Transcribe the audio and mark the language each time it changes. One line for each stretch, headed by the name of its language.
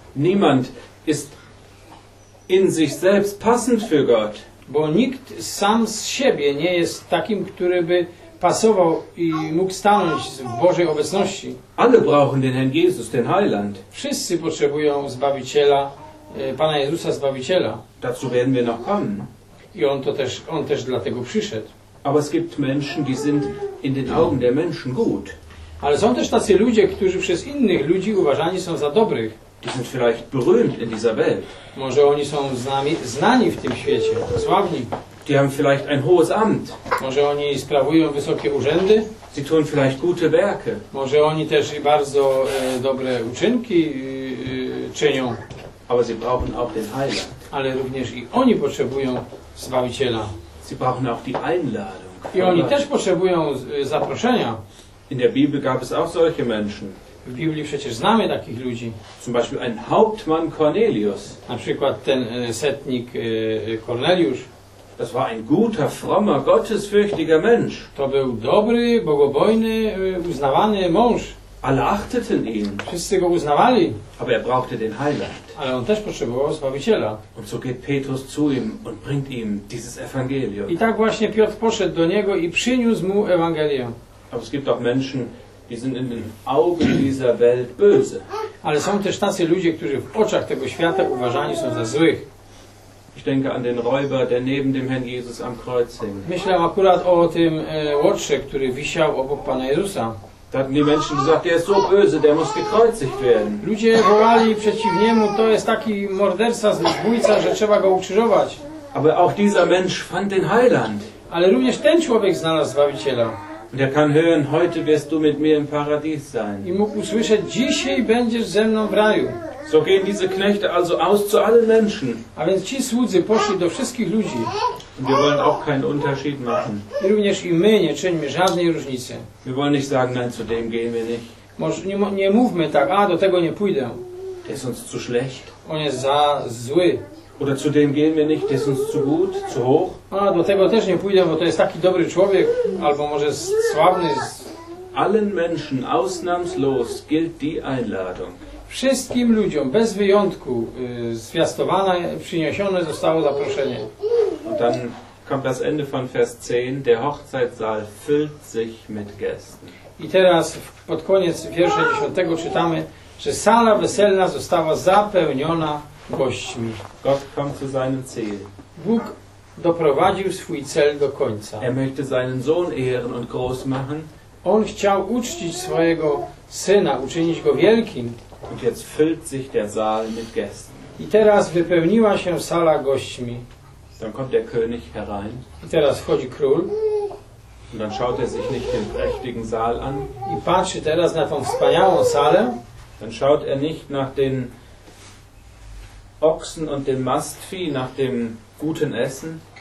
German: Niemand ist in sich selbst passend für Gott.
Polish: Bo nikt sam z siebie nie jest takim, który by pasował i mógł stanąć w Bożej obecności.
German: Alle brauchen den Herrn Jesus, den Heiland.
Polish: Wszyscy potrzebują Zbawiciela, Pana Jezusa Zbawiciela.
German: Dazu werden wir noch kommen.
Polish: I on też dlatego przyszedł.
German: Aber es gibt Menschen, die sind in den Augen der Menschen gut.
Polish: Ale są też tacy ludzie, którzy przez innych ludzi uważani są za dobrych.
German: Die sind vielleicht berühmt in dieser Welt.
Polish: Może oni są znani w tym świecie, sławni.
German: Die haben vielleicht ein hohes Amt.
Polish: Może oni sprawują wysokie urzędy.
German: Sie tun vielleicht gute Werke.
Polish: Może oni też i bardzo dobre uczynki czynią.
German: Aber sie brauchen auch den Heiland.
Polish: Ale również i oni potrzebują Zbawiciela.
German: Sie brauchen auch die Einladung.
Polish: I oni też potrzebują zaproszenia.
German: In der Bibel gab es auch solche Menschen.
Polish: W Biblii przecież znamy takich ludzi.
German: Zum Beispiel ein Hauptmann Cornelius.
Polish: Na przykład ten setnik Korneliusz.
German: Das war ein guter, frommer, gottesfürchtiger Mensch.
Polish: To był dobry, bogobojny, uznawany mąż.
German: Alle achteten ihn.
Polish: Wszyscy go uznawali.
German: Aber brauchte den Heiland.
Polish: Ale on też potrzebował Zbawiciela.
German: Und so geht Petrus zu ihm und bringt ihm dieses Evangelium.
Polish: I tak właśnie Piotr poszedł do niego i przyniósł mu Ewangelię.
German: Aber es gibt auch Menschen, die sind in den Augen dieser Welt böse.
Polish: Ale są też tacy ludzie, którzy w oczach tego świata uważani są za złych.
German: Ich denke an den Räuber, der neben dem Herrn Jesus am Kreuz hing.
Polish: Myślę akurat o tym łotrze, który wisiał obok Pana Jezusa.
German: Da hatten die Menschen gesagt, der ist so böse, der muss gekreuzigt werden.
Polish: Ludzie wołali przeciw niemu, to jest taki morderca, zbójca, że trzeba go ukrzyżować.
German: Aber auch dieser Mensch fand den Heiland.
Polish: Ale również ten człowiek znalazł Zbawiciela.
German: Und er kann hören, heute wirst du mit mir im Paradies sein.
Polish: I mógł usłyszeć, dzisiaj będziesz ze mną w raju.
German: So gehen diese Knechte also aus zu allen Menschen.
Polish: A więc ci słudzy poszli do wszystkich ludzi.
German: Und wir wollen auch keinen Unterschied machen.
Polish: I również i my nie czyńmy żadnej różnicy.
German: Wir wollen nicht sagen, nein, zu dem gehen wir nicht.
Polish: Nie mówmy tak, a do tego nie pójdę.
German: Der ist uns zu schlecht.
Polish: On jest za zły.
German: Oder zu dem gehen wir nicht, der ist uns zu gut, zu hoch.
Polish: A do tego też nie pójdę, bo to jest taki dobry człowiek, albo może sławny.
German: Allen Menschen ausnahmslos gilt die Einladung.
Polish: Wszystkim ludziom, bez wyjątku, zwiastowane, przyniesione zostało zaproszenie.
German: Und dann kommt das Ende von Vers 10. Der Hochzeitssaal füllt sich mit Gästen.
Polish: I teraz pod koniec wiersza 10 czytamy, że sala weselna została zapełniona gośćmi.
German: Gott kommt zu seinem Ziel.
Polish: Bóg doprowadził swój cel do końca.
German: Er möchte seinen Sohn ehren und groß machen.
Polish: On chciał uczcić swojego syna, uczynić go wielkim.
German: Und jetzt füllt sich der Saal mit Gästen.
Polish: I teraz wypełniła się sala gośćmi.
German: Dann kommt der König herein.
Polish: I teraz wchodzi król.
German: Und dann schaut er sich nicht den prächtigen Saal an.
Polish: I patrzy teraz na tą wspaniałą salę.
German: Dann schaut er nicht nach den Ochsen und dem Mastvieh, nach dem guten Essen.